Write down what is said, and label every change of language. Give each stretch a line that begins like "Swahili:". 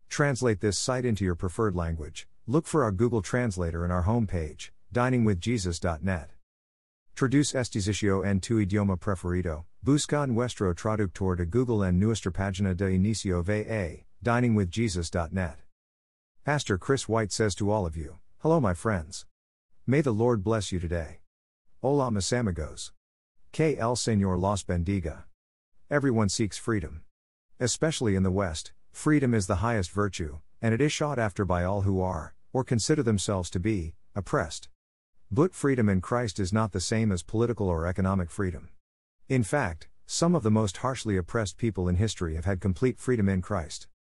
English: Translate this site into your preferred language. Look for our Google Translator in our homepage, diningwithjesus.net.
Spanish: Traduce este sitio en tu idioma preferido. Busca nuestro traductor de Google en nuestra página de inicio VA, diningwithjesus.net.
English: Pastor Chris White says to all of you, hello my friends. May the Lord bless you today.
Spanish: Hola mis amigos. Que el Señor los bendiga.
English: Everyone seeks freedom. Especially in the West, freedom is the highest virtue, and it is sought after by all who are, or consider themselves to be, oppressed. But freedom in Christ is not the same as political or economic freedom. In fact, some of the most harshly oppressed people in history have had complete freedom in Christ.